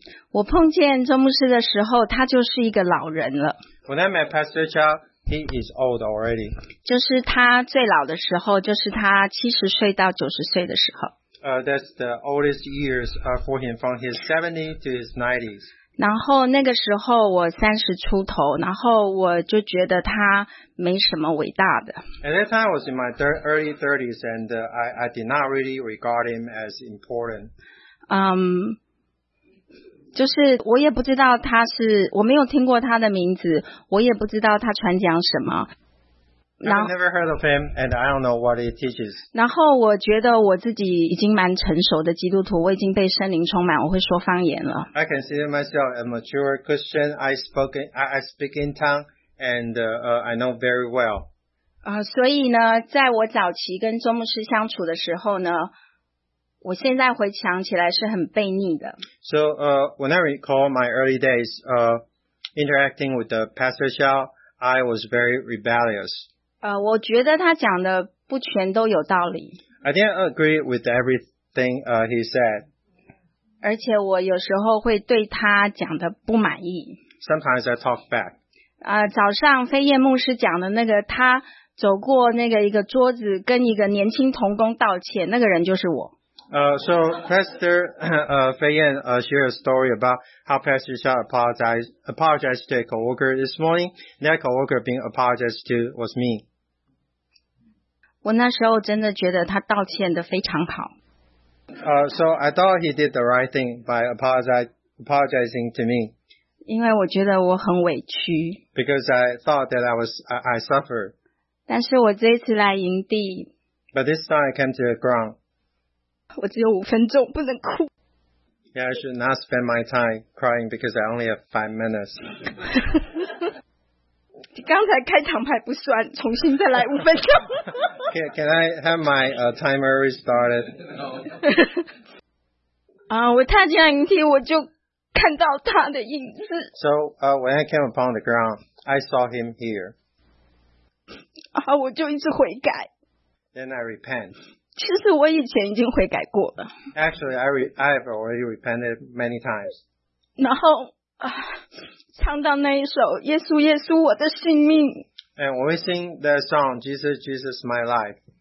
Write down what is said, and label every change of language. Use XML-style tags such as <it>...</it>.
<zh>我碰见周牧师的时候，他就是一个老人了。</zh> <en>When I met Pastor Chow, he is old already.</en> <zh>就是他最老的时候，就是他70岁到90岁的时候。</zh> <en>That's the oldest years for him, from his 70 to his 90s.</en> <zh>然后那个时候我30出头，然后我就觉得他没什么伟大的。</zh> <en>At that time, I was in my early 30s, and I did not really regard him as important.</en> <zh>就是我也不知道他是，我没有听过他的名字，我也不知道他传讲什么。</zh> <en>I've never heard of him, and I don't know what he teaches.</en> <zh>然后我觉得我自己已经蛮成熟的基督徒，我已经被圣灵充满，我会说方言了。</zh> <en>I consider myself a mature Christian. I speak in tongue, and I know very well.</en> <zh>所以呢，在我早期跟周牧师相处的时候呢，我现在回想起来是很悖逆的。</zh> <en>So, when I recall my early days, interacting with the Pastor Xiao, I was very rebellious.</en> <zh>我觉得他讲的不全都有道理。</zh> <en>I didn't agree with everything he said.</en> <zh>而且我有时候会对他讲的不满意。</zh> <en>Sometimes I talk back.</en> <zh>早上飞燕牧师讲的那个，他走过那个一个桌子跟一个年轻同工道歉，那个人就是我。</zh> <en>So Pastor Fei Yan shared a story about how Pastor Xiao apologized to a coworker this morning. That coworker being apologized to was me.</en> <zh>我那时候真的觉得他道歉的非常好。</zh> <en>So I thought he did the right thing by apologizing to me.</en> <zh>因为我觉得我很委屈。</zh> <en>Because I thought that I suffered.</en> <zh>但是我这次来营地。</zh> <en>But this time I came to the ground.</en> <zh>我只有五分钟，不能哭。</zh> <en>Yeah, I should not spend my time crying because I only have 5 minutes.</en> <zh>刚才开场牌不算，重新再来五分钟。</zh> <en>can I have my timer restarted?</en> <zh>我踏进来营地，我就看到他的影子。</zh> <en>So, when I came upon the ground, I saw him here.</en> <zh>我就一直悔改。</zh> <en>Then I repent.</en> <zh>其实我以前已经悔改过了。</zh> <en>Actually, I have already repented many times.</en> <zh>然后唱到那一首《耶稣耶稣我的性命》。</zh> <en>And when we sing that song, Jesus, Jesus, my life.</en>